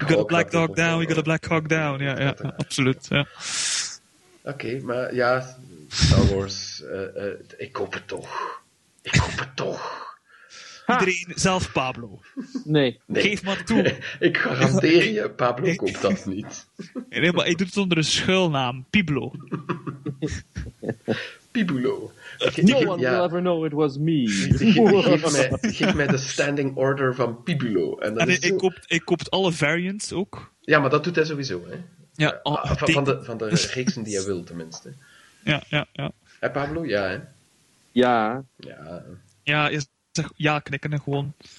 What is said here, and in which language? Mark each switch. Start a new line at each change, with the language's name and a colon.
English: Hawk, we got a Black Hawk down.
Dutch: Ja, ja, ja, absoluut. Ja. Oké, maar ja, Star Wars, ik koop het toch. Ik koop het toch. Ha. Iedereen, zelf Pablo. Nee. Geef maar toe. Ik garandeer je, Pablo koopt dat niet. Nee, maar hij doet het onder een schuilnaam, Piblo. Piblo.
English: No one will ever know it was me.
Dutch: Geef mij de standing order van Piblo. Hij koopt alle variants ook. Ja, maar dat doet hij sowieso. Hè? Ja, van de reeksen die hij wil, tenminste. Ja, ja, ja. Hey, Pablo? Ja, hè? Ja. Ja, ja, zeg ja knikken en gewoon...